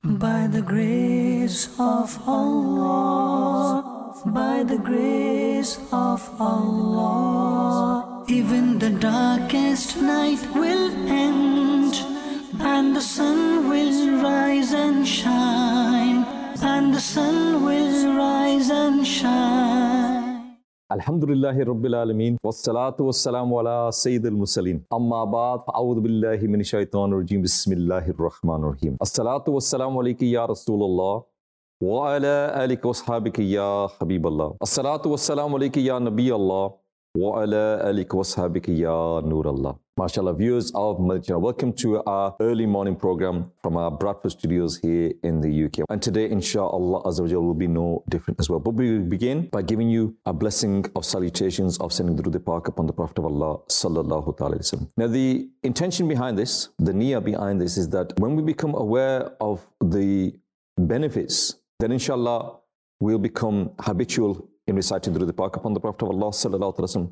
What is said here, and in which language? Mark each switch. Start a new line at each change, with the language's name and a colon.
English: by the grace of Allah, by the grace of Allah. Even the darkest night will end, and the sun will rise and shine, and the sun will rise and shine.
Arabic: আলহামদুলিল্লাহি রাব্বিল আলামিন والصلاه والسلام على سيد المرسلين اما بعد اعوذ بالله من الشيطان الرجيم بسم الله الرحمن الرحيم والصلاه والسلام عليك يا رسول الله وعلى اليك واصحابك يا حبيب الله والصلاه والسلام عليك يا نبي الله وعلى اليك واصحابك يا نور الله
English: Mashallah, viewers of Madinah, welcome to our early morning program from our Bradford studios here in the UK. And today, inshallah, Azza wa Jal will be no different as well. But we begin by giving you a blessing of salutations of sending Durood e Pak upon the Prophet of Allah, sallallahu ta'ala alayhi wa sallam. Now, the intention behind this, the niyyah behind this is that when we become aware of the benefits, then inshallah, we'll become habitual in reciting Durood e Pak upon the Prophet of Allah sallallahu alaihi wasallam.